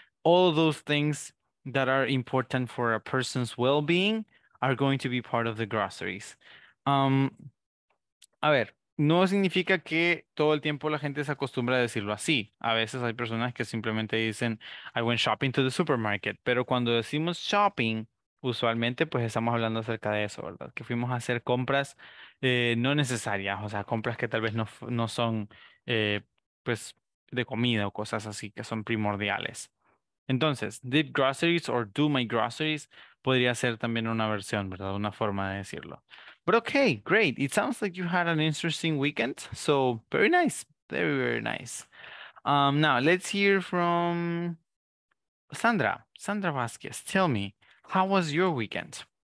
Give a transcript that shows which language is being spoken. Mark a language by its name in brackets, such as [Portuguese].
[English] All those things that are important for a person's well-being are going to be part of the groceries. [Spanish] A ver, no significa que todo el tiempo la gente se acostumbra a decirlo así. A veces hay personas que simplemente dicen, I went shopping to the supermarket, pero cuando decimos shopping, usualmente, pues estamos hablando acerca de eso, ¿verdad? Que fuimos a hacer compras no necesarias, o sea, compras que tal vez no son pues de comida o cosas así, que son primordiales. Entonces, did groceries or do my groceries podría ser también una versión, ¿verdad? Una forma de decirlo. But okay, great. [English] It sounds like you had an interesting weekend. So, very nice. Very, very nice. Now, let's hear from Sandra. Sandra Vasquez, tell me, how was your weekend?